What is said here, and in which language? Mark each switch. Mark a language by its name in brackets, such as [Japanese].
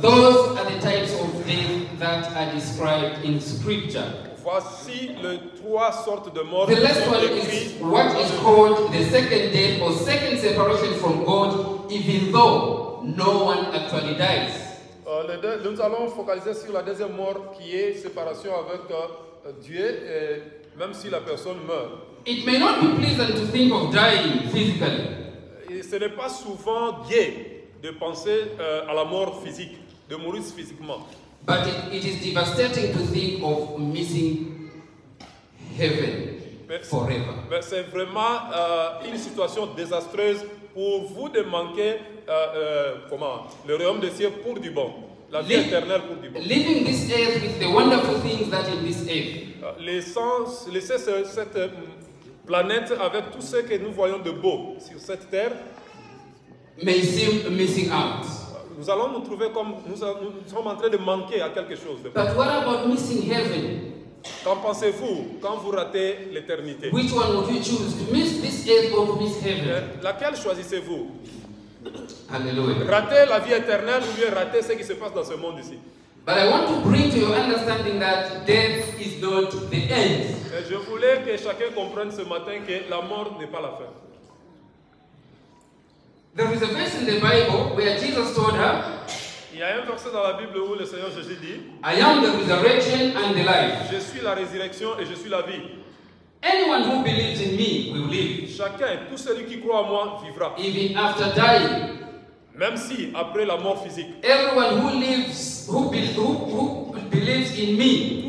[English] Those are the types of things that are described in Scripture. [French] Voici les trois sortes de morts. [English] The last one is what is called the second death or second separation from God, even though no one actually dies. [French] Nous allons focaliser sur la deuxième mort qui est séparation avec Dieu, même si la personne meurt. [English] It may not be pleasant to think of dying physically. [French] Ce n'est pas souvent gai de penser à la mort physique, de mourir physiquement. [English] But it is devastating to think of missing heaven forever. [French] Mais c'est vraiment une situation désastreuse pour vous de manquer comment le royaume des cieux pour du bon, la vie éternelle pour du bon. [English] Living this earth with the wonderful things that in this earth. [French] Laisser cette planète avec tout ce que nous voyons de beau sur cette terre [English] may seem missing out. [French] Nous allons nous trouver comme nous sommes en train de manquer à quelque chose. [English] But what about missing heaven? [French] Qu'en pensez-vous quand vous ratez l'éternité? [English] Which one would you choose, to miss this earth or to miss heaven? [French] Laquelle choisissez-vous? Hallelujah. Rater la vie éternelle ou bien rater ce qui se passe dans ce monde ici? [English] But I want to bring to your understanding that death is not the end. [French] Et je voulais que chacun comprenne ce matin que la mort n'est pas la fin. [English] There is a verse in the Bible where Jesus told her, [French] il y a un verset dans la Bible où le Seigneur Jésus dit, [English] I am the resurrection and the life. [French] Je suis la résurrection et je suis la vie. [English] Anyone who believes in me will live. [French] Chacun, tout celui qui croit en moi vivra. [English] Even after dying. [French] Même si après la mort physique. [English] Everyone who lives, who believes in me.